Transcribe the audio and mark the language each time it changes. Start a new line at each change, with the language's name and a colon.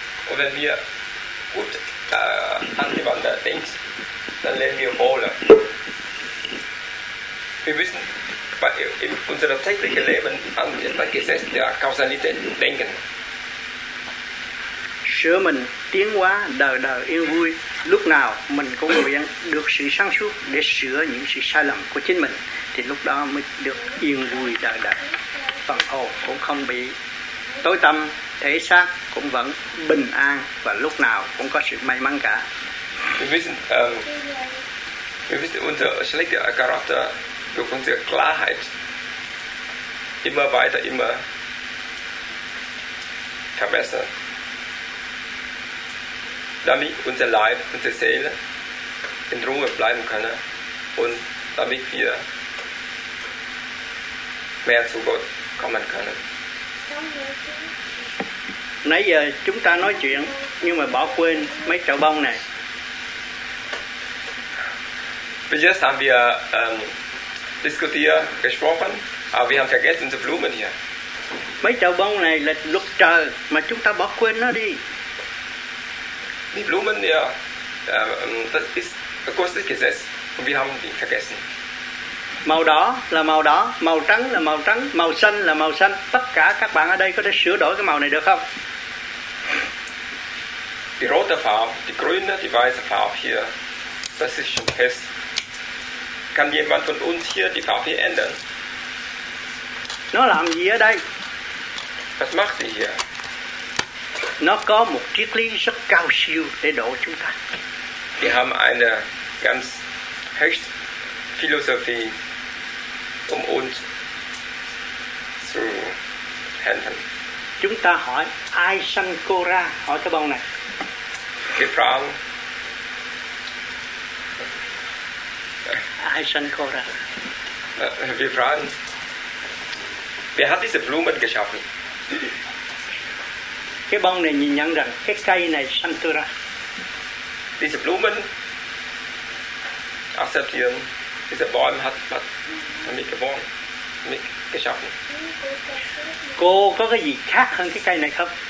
German: Und wenn wir gut an jemanden denken, dann lernen wir wohl. Wir müssen in unserem täglichen Leben an das Gesetz der Kausalität denken.
Vietnamese: Sửa mình tiến hóa đời đời yên vui, lúc nào mình cũng nguyện được sự sáng suốt để sửa những sự sai lầm của chính mình, thì lúc đó mới được yên vui đời đời, phần hồn cũng không bị tối tăm, thể xác cũng vẫn bình an và lúc nào cũng có sự may mắn cả.
German: Wir wissen unser schlechter Charakter durch unsere Klarheit immer weiter immer verbessern, damit unser Leib, unsere Seele in Ruhe bleiben kann und damit wir mehr zu Gott kommen können.
Vietnamese: Nãy giờ chúng ta nói chuyện nhưng mà bỏ quên mấy chậu bông này.
German: Bis jetzt haben wir diskutiert, gesprochen, aber wir haben vergessen die Blumen hier.
Vietnamese: Mấy chậu bông này là luật trời mà chúng ta bỏ quên nó đi.
German: Die Blumen, ja, das ist ein großes Gesetz und wir haben die vergessen.
Vietnamese: Màu đỏ là màu đỏ, màu trắng là màu trắng, màu xanh là màu xanh. Tất cả các bạn ở đây có thể sửa đổi cái màu này được không?
German: Die rote Farbe, die grüne, die weiße Farbe hier, das ist schon fest. Kann jemand von uns hier die Farbe hier ändern?
Vietnamese: Nó làm gì ở đây?
German: Was macht sie hier?
Vietnamese: Nó có một triết lý rất cao siêu để độ chúng ta.
German: Wir haben eine ganz höchste Philosophie, um uns zu helfen.
Vietnamese: Chúng ta hỏi ai sanh cô ra, hỏi cái bông này.
German: Die Frau.
Vietnamese: Ai sanh cô ra?
German: Wir fragen, wer hat diese Blumen geschaffen?
Vietnamese: Cái bông này nhìn nhận rằng cái cây này sanh tôi ra.
German: Diese Blumen akzeptieren, diese Bäume hat mich geboren, mich geschaffen.
Vietnamese: Cô có cái gì khác hơn cái cây này không?